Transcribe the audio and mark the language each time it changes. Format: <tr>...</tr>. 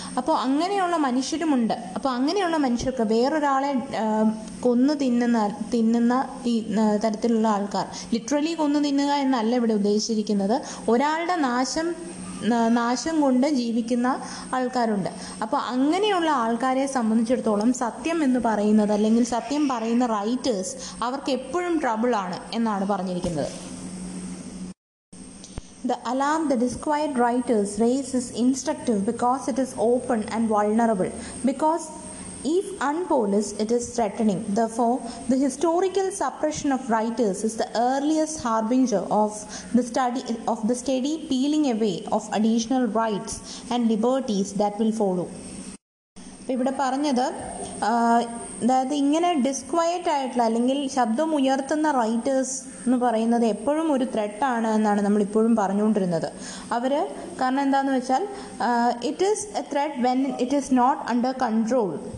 <ml>അപ്പോൾ അങ്ങനെയുള്ള മനുഷ്യരുമുണ്ട്. അപ്പോൾ അങ്ങനെയുള്ള മനുഷ്യർക്ക് വേറൊരാളെ കൊന്നു തിന്നുന്ന തരത്തിലുള്ള ആൾക്കാർ, ലിറ്ററലി കൊന്നു തിന്നുക എന്നല്ല ഇവിടെ ഉദ്ദേശിച്ചിരിക്കുന്നത്, ഒരാളുടെ നാശം കൊണ്ട് ജീവിക്കുന്ന ആൾക്കാരുണ്ട്. അപ്പോൾ അങ്ങനെയുള്ള ആൾക്കാരെ സംബന്ധിച്ചിടത്തോളം സത്യം എന്ന് പറയുന്നത് അല്ലെങ്കിൽ സത്യം പറയുന്ന റൈറ്റേഴ്സ് അവർക്ക് എപ്പോഴും ട്രബിളാണ് എന്നാണ് പറഞ്ഞിരിക്കുന്നത്.</ml> <en>The alarm the disquiet writers raise is instructive because it is open and vulnerable. Because if unpolished, it is threatening. Therefore, the historical suppression of writers is the earliest harbinger of the steady peeling away of additional rights and liberties that will follow.</en> <ml>ഇവിടെ പറഞ്ഞത് അതായത് ഇങ്ങനെ ഡിസ്ക്വയറ്റ് ആയിട്ടുള്ള അല്ലെങ്കിൽ ശബ്ദം ഉയർത്തുന്ന writers എന്ന് പറയുന്നത് എപ്പോഴും ഒരു ത്രെട്ടാണ് എന്നാണ് നമ്മളിപ്പോഴും പറഞ്ഞുകൊണ്ടിരുന്നത്. അവര് കാരണം എന്താന്ന് വെച്ചാൽ</ml> <en>It is a threat when it is not under control.</en>